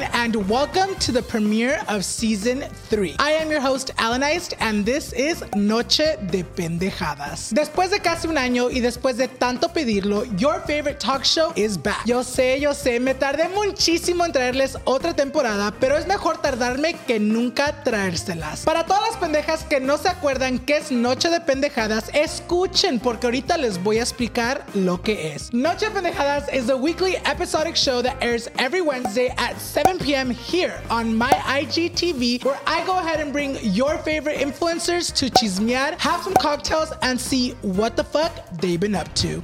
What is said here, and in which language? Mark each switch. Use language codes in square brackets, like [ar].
[en] And welcome to the premiere of season 3. I am your host, Alan Eist, and this is Noche de Pendejadas. [es] Después de casi un año y después de tanto pedirlo, [en] your favorite talk show is back. [es] Yo sé, me tardé muchísimo en traerles otra temporada, pero es mejor tardarme que nunca traérselas. Para todas las pendejas que no se acuerdan qué es Noche de Pendejadas, escuchen, porque ahorita les voy a explicar lo que es. [en] Noche de Pendejadas is a weekly episodic show that airs every Wednesday at 7 p.m. here on my IGTV, where I go ahead and bring your favorite influencers to chismear, have some cocktails, and see what the fuck they've been up to.